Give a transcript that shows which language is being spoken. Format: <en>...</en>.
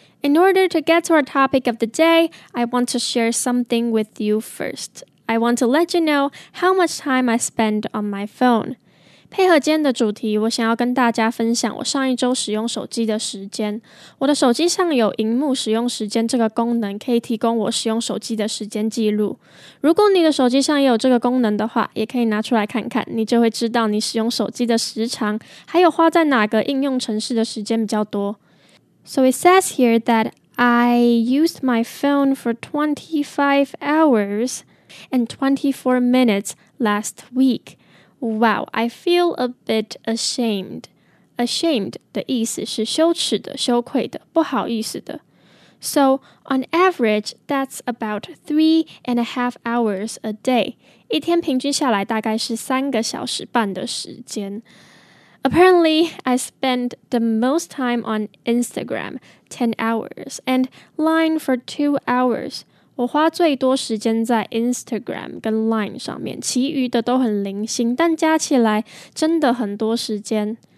<en>In order to get to our topic of the day, I want to share something with you first. I want to let you know how much time I spend on my phone.</en> <zh>配合今天的主题，我想要跟大家分享我上一周使用手机的时间。我的手机上有荧幕使用时间这个功能，可以提供我使用手机的时间记录。如果你的手机上也有这个功能的话，也可以拿出来看看，你就会知道你使用手机的时长，还有花在哪个应用程式的时间比较多。</zh> <en>So it says here that I used my phone for 25 hours and 24 minutes last week. Wow, I feel a bit ashamed. Ashamed</en> <zh>的意思是羞耻的、羞愧的、不好意思的。</zh> <en>So, on average, that's about 3.5 hours a day.</en> <zh>一天平均下来大概是三个小时半的时间。</zh> <en>Apparently, I spend the most time on Instagram, 10 hours, and Line for 2 hours.</en> <zh>我花最多时间在 Instagram 跟 Line 上面，其余的都很零星，但加起来真的很多时间。</zh>